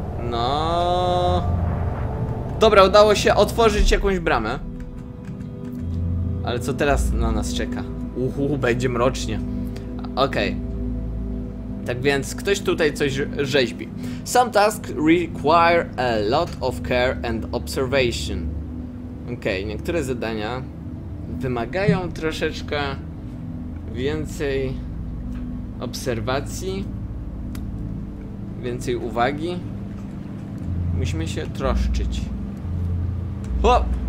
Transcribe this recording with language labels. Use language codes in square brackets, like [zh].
[pl] No. Dobra, udało się otworzyć jakąś bramę. Ale co teraz na nas czeka? Uhu, będzie mrocznie. Okej. Tak więc ktoś tutaj coś rzeźbi. [en] Some tasks require a lot of care and observation. [pl] Okej, niektóre zadania wymagają troszeczkę więcej obserwacji, więcej uwagi. Musimy się troszczyć. Hop!